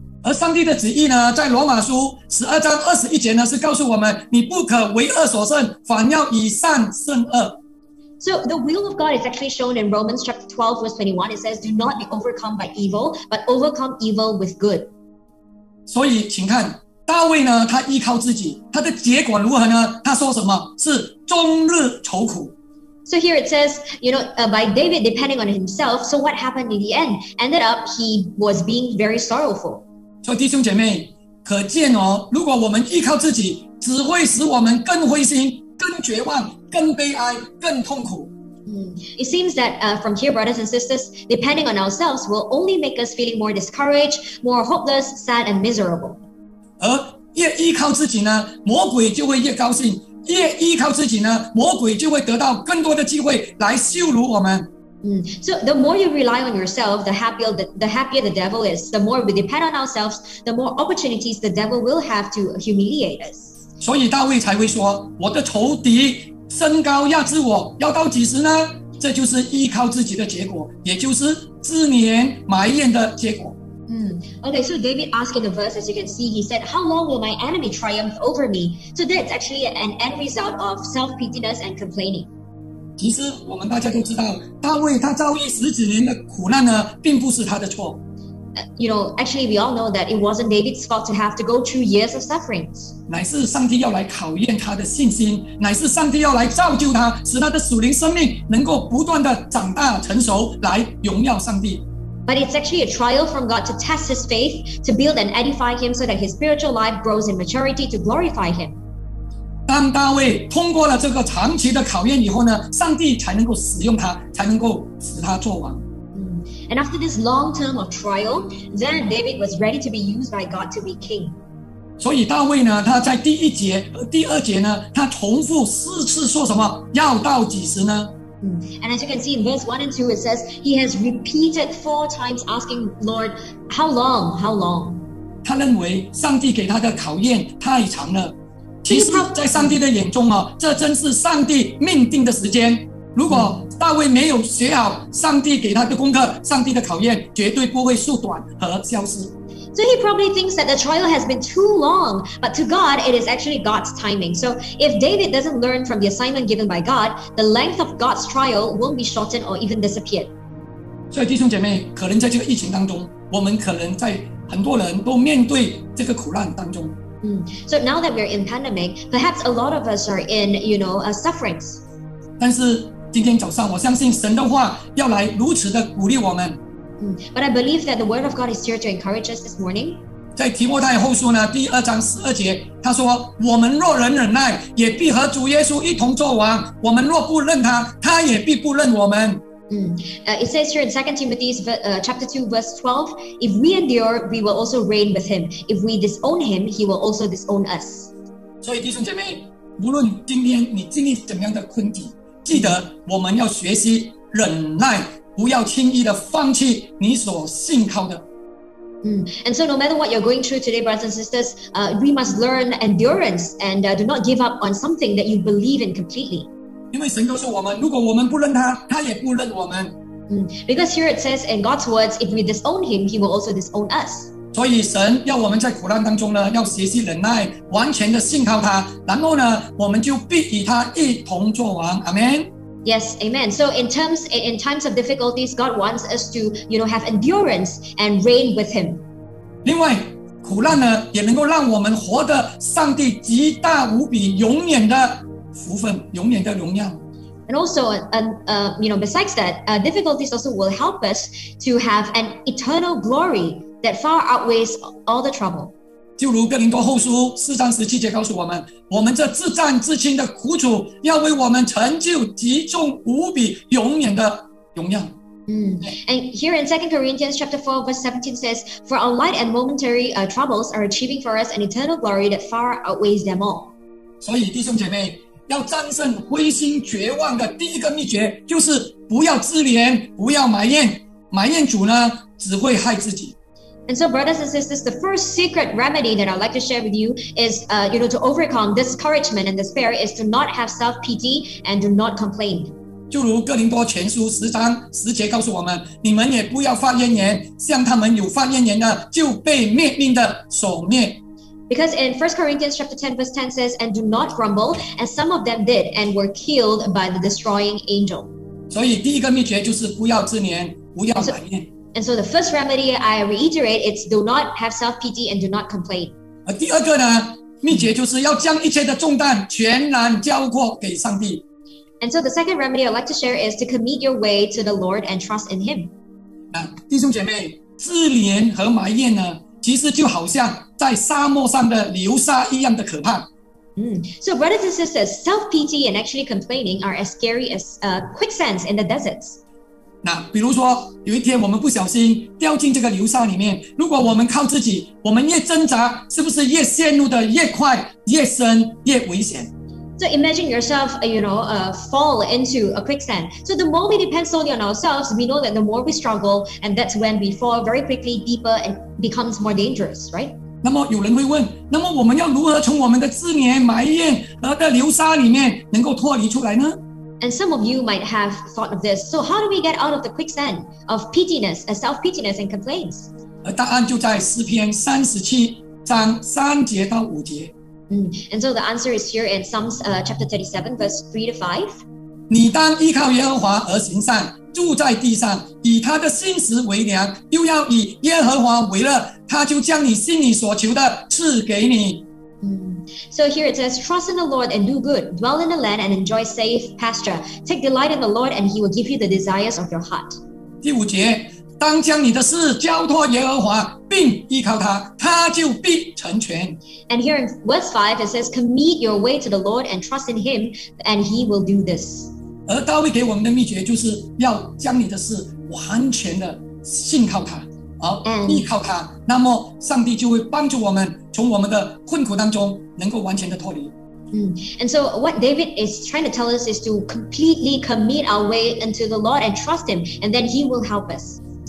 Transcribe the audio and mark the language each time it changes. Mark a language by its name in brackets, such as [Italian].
[Chinese] 而上帝的旨意呢，在罗马书十二章二十一节呢，是告诉我们，你不可为恶所胜，反要以善胜恶。 [English] So the will of God is actually shown in Romans chapter 12, verse 21. It says, "Do not be overcome by evil, but overcome evil with good." [Chinese] 所以请看大卫呢，他依靠自己，他的结果如何呢？他说什么是终日愁苦。 [English] So here it says, you know, by David depending on himself, so what happened in the end? Ended up he was being very sorrowful. [Chinese] 所以弟兄姐妹，可见哦，如果我们依靠自己，只会使我们更灰心，更绝望，更悲哀，更痛苦。 [English] It seems that from here, brothers and sisters, depending on ourselves will only make us feeling more discouraged, more hopeless, sad, and miserable. [Chinese] 而越依靠自己呢，魔鬼就会越高兴。越依靠自己呢，魔鬼就会得到更多的机会来羞辱我们。 [English] So the more you rely on yourself, the happier the devil is. The more we depend on ourselves, the more opportunities the devil will have to humiliate us. [Chinese] 所以大卫才会说，我的仇敌身高压制我，要到几时呢？这就是依靠自己的结果，也就是自怜埋怨的结果。 [English] Okay, so David asked in the verse, as you can see, he said, How long will my enemy triumph over me? So that's actually an end result of self-pityness and complaining. [Chinese] 其实我们大家都知道，大卫他遭遇十几年的苦难呢，并不是他的错。 [English] You know, actually, we all know that it wasn't David's fault to have to go through years of sufferings. [Chinese] 乃是上帝要来考验他的信心，乃是上帝要来造就他，使他的属灵生命能够不断的长大成熟，来荣耀上帝。 [English] But it's actually a trial from God to test his faith, to build and edify him so that his spiritual life grows in maturity to glorify him. [Chinese] 当大卫通过了这个长期的考验以后呢，上帝才能够使用他，才能够使他作王。 [English] And after this long term of trial, then David was ready to be used by God to be king. [Chinese] 所以大卫呢，他在第一节、第二节呢，他重复四次说什么？要到几时呢？ [English] And as you can see in verse 1 and 2, it says he has repeated four times asking Lord, how long, how long? [Chinese] 他认为上帝给他的考验太长了。其实在上帝的眼中啊，这真是上帝命定的时间。如果大卫没有学好上帝给他的功课，上帝的考验绝对不会缩短和消失。 [English] So he probably thinks that the trial has been too long, but to God, it is actually God's timing. So if David doesn't learn from the assignment given by God, the length of God's trial won't be shortened or even disappeared. [Chinese] 所以弟兄姐妹，可能在这个疫情当中，我们可能在很多人都面对这个苦难当中。 [English] So now that we're in pandemic, perhaps a lot of us are in, you know, sufferings. [Chinese] 但是今天早上，我相信神的话要来如此的鼓励我们。 [English] But I believe that the word of God is here to encourage us this morning. [Chinese] 在提摩太后书呢第二章十二节，他说：“我们若能忍耐，也必和主耶稣一同作王；我们若不认他，他也必不认我们。” [English] It says here in 2 Timothy chapter 2 verse 12, "If we endure, we will also reign with him. If we disown him, he will also disown us." [Chinese] 所以弟兄姐妹，无论今天你经历怎样的困境，记得我们要学习忍耐。不要轻易地放弃你所信靠的。 [English] And so no matter what you're going through today, brothers and sisters, we must learn endurance and do not give up on something that you believe in completely. [Chinese] 因为神告诉我们，如果我们不认他，他也不认我们。 [English] Because here it says in God's words, if we disown him, he will also disown us. [Chinese] 所以神要我们在苦难当中呢，要学习忍耐，完全的信靠他，然后呢，我们就必与他一同作王。 [English] Amen. Yes, amen. So in times of difficulties, God wants us to, you know, have endurance and reign with him. [Chinese] 另外，苦难呢，也能够让我们活得上帝极大无比永远的福分，永远的荣耀。 [English] And also, you know, besides that, difficulties also will help us to have an eternal glory that far outweighs all the trouble. [Chinese] 就如哥林多后书四章十七节告诉我们，我们这自战自轻的苦楚，要为我们成就极重无比永远的荣耀。 [English] And here in 2 Corinthians chapter 4 verse 17 says, "For our light and momentary troubles are achieving for us an eternal glory that far outweighs them all." [Chinese] 所以弟兄姐妹，要战胜灰心绝望的第一个秘诀，就是不要自怜，不要埋怨，埋怨主呢，只会害自己。 [English] And so, brothers and sisters, the first secret remedy that I'd like to share with you is, you know, to overcome discouragement and despair is to not have self-pity and do not complain. [Chinese] 就如哥林多前书十章十节告诉我们，你们也不要发怨言，像他们有发怨言的，就被灭命的所灭。 [English] Because in 1 Corinthians chapter 10 verse 10 says, "And do not grumble, as some of them did, and were killed by the destroying angel." [Chinese] 所以第一个秘诀就是不要自怜，不要埋怨。 [English] And so the first remedy I reiterate is do not have self-pity and do not complain. [Chinese] 第二个呢，秘诀就是要将一切的重担全然交托给上帝。 [English] And so the second remedy I'd like to share is to commit your way to the Lord and trust in Him. [Chinese] 弟兄姐妹，自怜和埋怨呢，其实就好像在沙漠上的流沙一样的可怕。 [English] So brothers and sisters, self-pity and actually complaining are as scary as quicksands in the deserts. [Chinese] 比如说有一天我们不小心掉进这个流沙里面，如果我们靠自己，我们越挣扎，是不是越陷入的越快，越深，越危险？ [English] So imagine yourself, you know, fall into a quicksand. So the more we depend solely on ourselves, we know that the more we struggle, and that's when we fall very quickly deeper and becomes more dangerous, right? [Chinese] 那么有人会问，那么我们要如何从我们的自怜埋怨的流沙里面能够脱离出来呢？ [English] And some of you might have thought of this. So how do we get out of the quicksand of pitiness, self-pitiness and complaints? [Chinese] 答案就在诗篇三十七章三节到五节。 [English] And so the answer is here in Psalms chapter 37, verse 3 to 5. [Chinese] 你当依靠耶和华而行善，住在地上，以他的信实为粮，又要以耶和华为乐，他就将你心里所求的赐给你。 [English] So here it says, "Trust in the Lord and do good. Dwell in the land and enjoy safe pasture. Take delight in the Lord and he will give you the desires of your heart." [Chinese] 第五节，当将你的事交托耶和华，并依靠他，他就必成全。 [English] And here in verse 5, it says, "Commit your way to the Lord and trust in him and he will do this." [Chinese] 而大卫给我们的秘诀就是要将你的事完全的信靠他。依靠他，那么上帝就会帮助我们从我们的困苦当中能够完全的脱离。 [English] And so what David is trying to tell us is to completely commit our way unto the Lord and trust him, and then he will help us.